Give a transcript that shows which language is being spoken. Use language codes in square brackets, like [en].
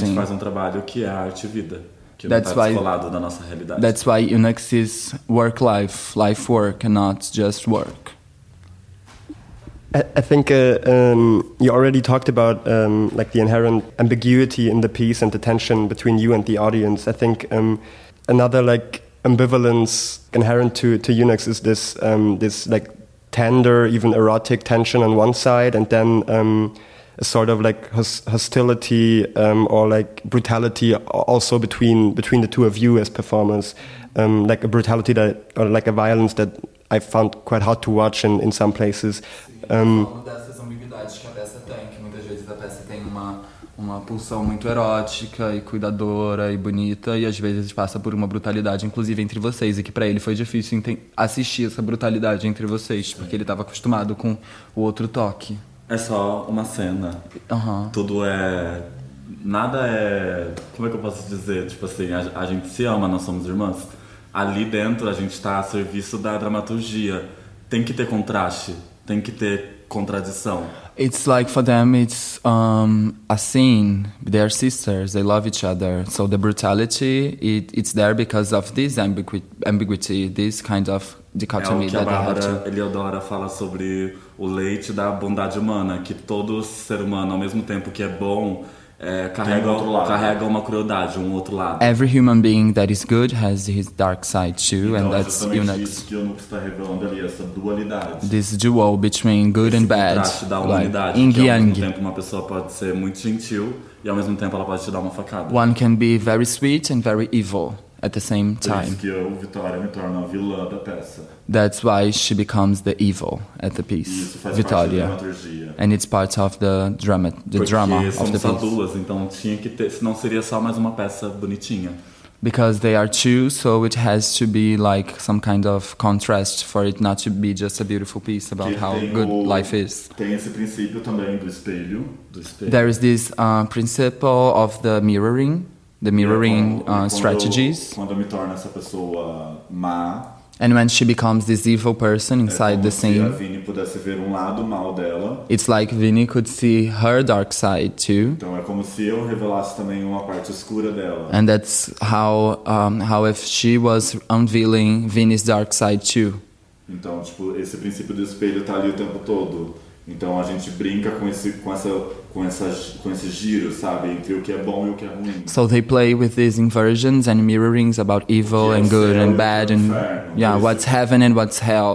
[pt] Que a gente faz um trabalho que é arte vida. Que [en] that's [pt] não tá descolado da nossa realidade. [en] That's why Unix is work life, life work, and not just work. I think you already talked about like the inherent ambiguity in the piece and the tension between you and the audience. I think another like ambivalence inherent to Unix is this this like tender, even erotic tension on one side, and then a sort of like hostility or like brutality also between the two of you as performers, like a brutality that or like a violence that I found quite hard to watch in some places. [pt] Falando dessas ambiguidades que a peça tem, que muitas vezes a peça tem uma pulsão muito erótica e cuidadora e bonita, e às vezes passa por uma brutalidade, inclusive entre vocês, e que pra ele foi difícil assistir essa brutalidade entre vocês, sim. Porque ele tava acostumado com o outro toque. É só uma cena. Uhum. Tudo é... Nada é... Como é que eu posso dizer? Tipo assim, a gente se ama, nós somos irmãs. Ali dentro a gente tá a serviço da dramaturgia. Tem que ter contraste. Tem que ter contradição. [en] It's like for them it's a scene. They're sisters, they love each other. So the brutality it's there because of this ambiguity, this kind of dichotomy. [pt] É o que a Bárbara Eleodora fala sobre o leite da bondade humana, que todo ser humano, ao mesmo tempo que é bom, carrega uma crueldade, um outro lado. [en] Every human being that is good has his dark side too, and that's Unix. [pt] Isso que Unix está revelando ali, essa dualidade. [en] This dual between good [pt] esse [en] and bad. [pt] Esse contraste da humanidade, like, que ao mesmo tempo uma pessoa pode ser muito gentil e ao mesmo tempo ela pode te dar uma facada. [en] One can be very sweet and very evil at the same time. [pt] Por isso que eu, Vitória, me torno a vilã da peça. [en] That's why she becomes the evil at the piece, Vitória. And it's part of the drama, the [pt] porque [en] drama of the [pt] só [en] piece. [pt] Duas, então tinha que ter, senão seria só mais uma peça bonitinha. [en] Because they are two, so it has to be like some kind of contrast for it not to be just a beautiful piece about how good life is. [pt] Tem esse princípio também do espelho. [en] There is this principle of the mirroring, strategies. [pt] Quando me torna essa pessoa má. [en] And when she becomes this evil person inside the scene, [pt] a Vini pudesse ver um lado mal dela. [en] It's like Vini could see her dark side too. [pt] Então é como se eu revelasse também uma parte escura dela. [en] And that's how if she was unveiling Vini's dark side too. [pt] Então, tipo, esse princípio do espelho tá ali o tempo todo. Então a gente brinca com esse giro, sabe, entre o que é bom e o que é ruim. [en] So they play with these inversions and mirrorings about evil and good and bad and yeah, what's heaven and what's hell.